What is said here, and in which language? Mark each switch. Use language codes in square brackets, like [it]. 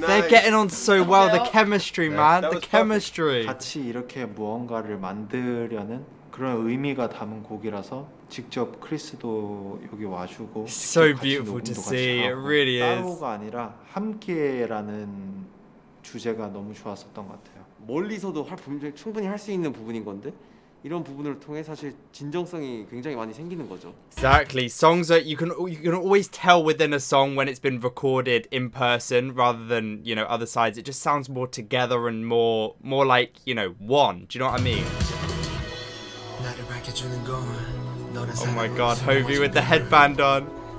[en] They're getting on so well, the chemistry, man. The chemistry. [ko] 같이 이렇게 무언가를 만들려는 그런 의미가 담은 곡이라서 직접 크리스도 여기 와주고 [en] So beautiful to see. It really is. [ko] 따로가 아니라 함께라는 주제가 너무 좋았었던 것 같아요. 멀리서도 충분히 할 수 있는 부분인 건데 이런 부분을 통해 사실 진정성이 굉장히 많이 생기는 거죠. [en] Exactly. Songs are you can always tell within a song when it's been recorded in person rather than, you know, other sides. It just sounds more together and more like, you know, one. Do you know what I mean? Oh my god, Hovi with the headband on.